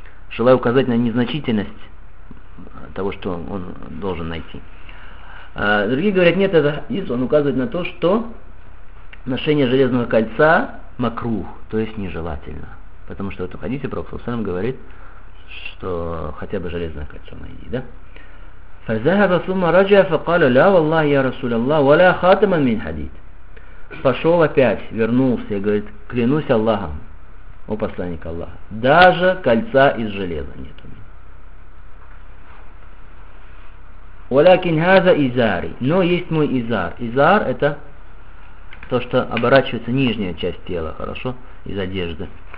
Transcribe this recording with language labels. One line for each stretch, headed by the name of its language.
Russian: Желаю указать на незначительность того, что он должен найти. Другие говорят, нет, это хадис, он указывает на то, что ношение железного кольца макрух, то есть нежелательно. Потому что в этом хадисе Пророк саллаллаху алейхи ва саллям говорит, что хотя бы железное кольцо найди, да?
Arabic: فذهب ثم رجع فقال لا والله يا رسول الله ولا خاتما من حديد.
Russian: Пошел опять, вернулся и говорит, клянусь Аллахом, о посланник Аллаха, даже кольца из железа нет у меня.
Arabic: ولكن هذا إزاري.
Russian: Но есть мой изар. Изар это то, что оборачивается нижняя часть тела, хорошо, из одежды.